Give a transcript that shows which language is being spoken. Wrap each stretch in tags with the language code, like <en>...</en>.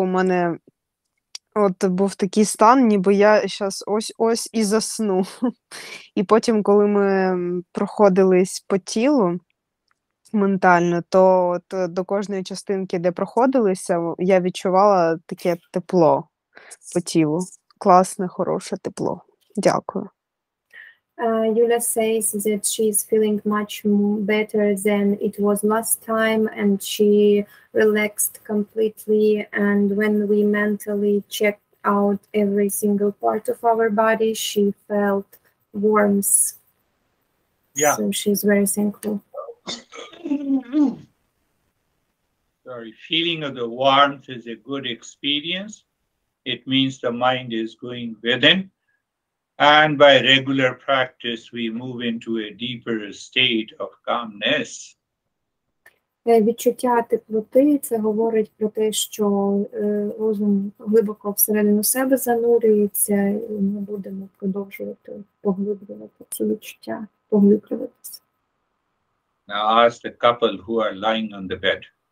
<uk>У мене от був такий стан, ніби я зараз ось-ось і засну. І потім, коли ми проходились по тілу, ментально, то от до кожної частинки, де проходилися, я відчувала таке тепло по тілу. Класне, хороше тепло. Дякую.</uk> <en>Юля says that she is feeling much better than it was last time, and she relaxed completely, and when we mentally checked out every single part of our body, she felt warmth. Yeah. So she's very thankful. Sorry, feeling of the warmth is a good experience. It means the mind is going within. And by regular practice, we move into a deeper state of calmness.</en> <uk>Відчуття теплоти – це говорить про те, що розум глибоко всередину себе занурюється, і ми будемо продовжувати поглиблювати ці відчуття, поглиблюватися.</uk> <en>Now ask the couple who are lying on the bed.</en>